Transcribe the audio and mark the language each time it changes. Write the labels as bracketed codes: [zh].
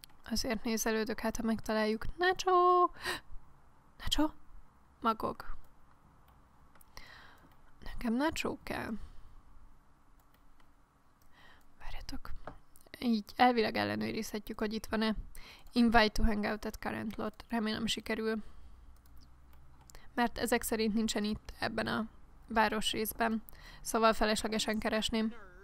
[hu] Azért nézelődök, hát ha megtaláljuk. Nacho! Nacho? Magog. Nekem nacho kell. Várjatok. Így elvileg ellenőrizhetjük, hogy itt van-e. [en] Invite to hangout at current lot. [hu] Remélem sikerül. Mert ezek szerint nincsen itt, ebben a városrészben. Szóval feleslegesen keresném.